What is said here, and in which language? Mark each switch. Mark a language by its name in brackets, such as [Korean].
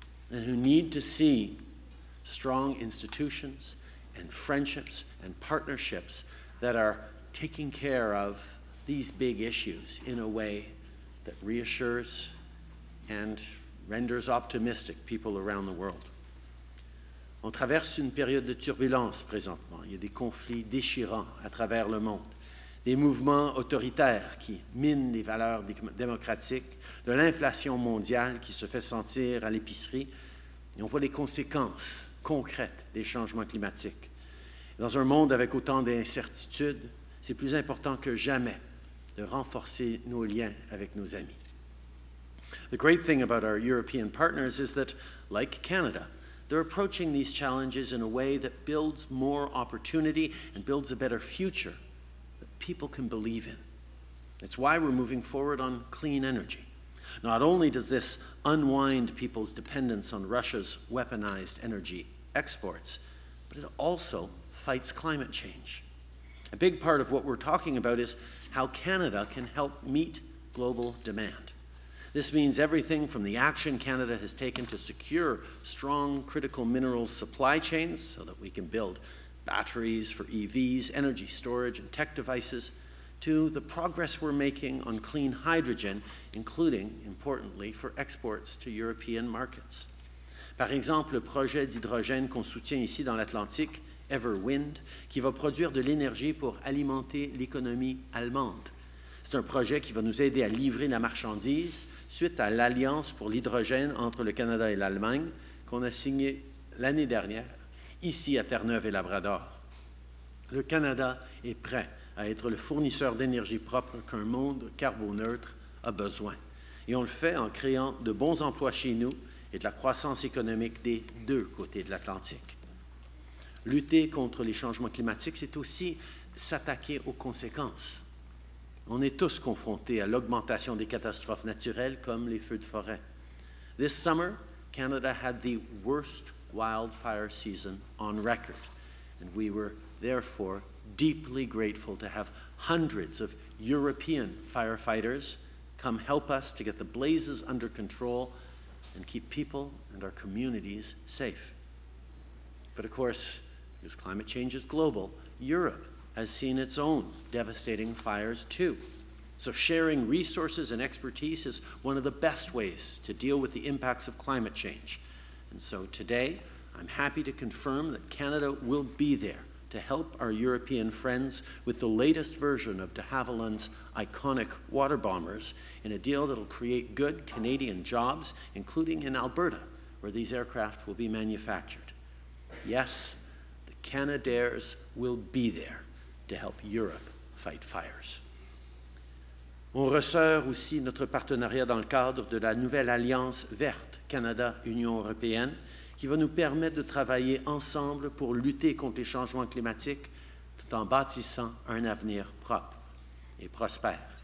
[English] and who need to see strong institutions and friendships and partnerships that are taking care of these big issues in a way that reassures and renders optimistic people around the world. [French] On traverse une période de turbulence présentement. Il y a des conflits déchirants à travers le monde. Des mouvements autoritaires qui minent les valeurs démocratiques, de l'inflation mondiale qui se fait sentir à l'épicerie, et on voit les conséquences concrètes des changements climatiques. Dans un monde avec autant d'incertitudes, c'est plus important que jamais de renforcer nos liens avec nos amis. [English] The great thing about our European partners is that, like Canada, they're approaching these challenges in a way that builds more opportunity and builds a better future people can believe in. It's why we're moving forward on clean energy. Not only does this unwind people's dependence on Russia's weaponized energy exports, but it also fights climate change. A big part of what we're talking about is how Canada can help meet global demand. This means everything from the action Canada has taken to secure strong critical minerals supply chains so that we can build batteries for EVs, energy storage and tech devices, to the progress we're making on clean hydrogen, including, importantly, for exports to European markets. [French] Par exemple, le projet d'hydrogène qu'on soutient ici dans l'Atlantique, Everwind, qui va produire de l'énergie pour alimenter l'économie allemande. C'est un projet qui va nous aider à livrer la marchandise suite à l'alliance pour l'hydrogène entre le Canada et l'Allemagne qu'on a signé l'année dernière, ici à Terre-Neuve-et-Labrador. Le Canada est prêt à être le fournisseur d'énergie propre qu'un monde carboneutre a besoin. Et on le fait en créant de bons emplois chez nous et de la croissance économique des deux côtés de l'Atlantique. Lutter contre les changements climatiques, c'est aussi s'attaquer aux conséquences. On est tous confrontés à l'augmentation des catastrophes naturelles comme les feux de forêt. [English] This summer, Canada had the worst wildfire season on record, and we were therefore, deeply grateful to have hundreds of European firefighters come help us to get the blazes under control and keep people and our communities safe. But of course, as climate change is global, Europe has seen its own devastating fires too. So sharing resources and expertise is one of the best ways to deal with the impacts of climate change. And so today, I'm happy to confirm that Canada will be there to help our European friends with the latest version of de Havilland's iconic water bombers in a deal that'll create good Canadian jobs, including in Alberta, where these aircraft will be manufactured. Yes, the Canadairs will be there to help Europe fight fires. [French] On resserre aussi notre partenariat dans le cadre de la nouvelle Alliance verte Canada-Union européenne qui va nous permettre de travailler ensemble pour lutter contre les changements climatiques tout en bâtissant un avenir propre et prospère.